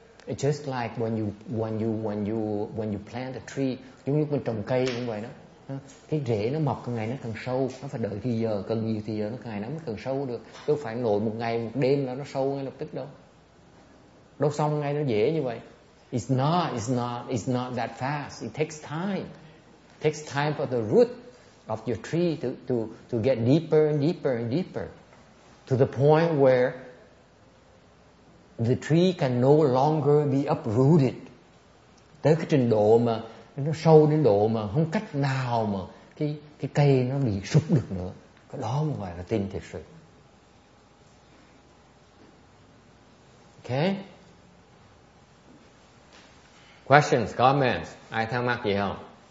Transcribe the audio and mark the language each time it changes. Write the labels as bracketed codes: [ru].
[en] It's just like when you plant a tree, [vi] giống như mình trồng cây cũng vậy đó. Cái rễ nó mọc càng ngày nó càng sâu, nó phải đợi thì giờ, cần nhiều thì giờ nó càng ngày nó mới càng sâu được. Chứ phải nổi một ngày một đêm là nó sâu ngay lập tức đâu. Đâu xong ngay nó dễ như vậy. [en] It's not that fast. It takes time. It takes time for the root of your tree to get deeper and deeper and deeper to the point where the tree can no longer be uprooted. [vi] Tới cái trình độ mà nó sâu đến độ mà không cách nào mà cái cây nó bị sụp được nữa. Cái đó mà gọi là tin thiệt sự. [en] Ok. Questions, comments, [vi] ai thắc mắc gì không?